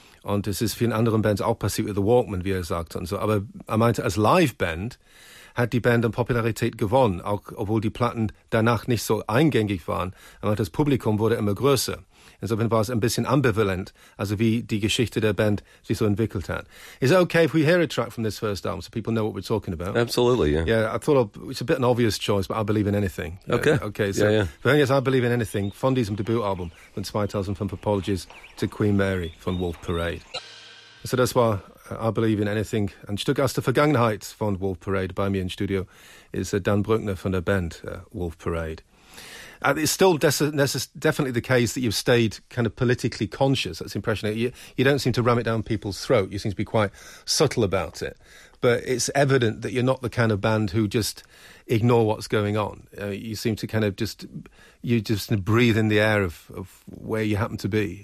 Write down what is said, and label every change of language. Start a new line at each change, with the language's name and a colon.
German: Und es ist vielen anderen Bands auch passiert, wie The Walkmen, wie er sagt und so. Aber er meinte, als Live-Band hat die Band an Popularität gewonnen, auch obwohl die Platten danach nicht so eingängig waren. Er meinte, das Publikum wurde immer größer. Insofern war es ein bisschen ambivalent, also wie die Geschichte der Band sich so entwickelt hat.
English: Is it okay if we hear a track from this first album so people know what we're talking about? Absolutely, yeah. Yeah, I thought it's a bit an obvious choice, but I Believe in Anything. Okay.
German: Okay, so wir hören jetzt I Believe in Anything von diesem Debütalbum von 2005, Apologies to Queen Mary von Wolf Parade. So das war I Believe in Anything, ein Stück aus der Vergangenheit von Wolf Parade. Bei mir im Studio ist Dan Brückner von der Band Wolf Parade.
English: It's still definitely the case that you've stayed kind of politically conscious. That's the impression. You don't seem to ram it down people's throat. You seem to be quite subtle about it. But it's evident that you're not the kind of band who just ignore what's going on. You seem to kind of just, you just breathe in the air of where you happen to be.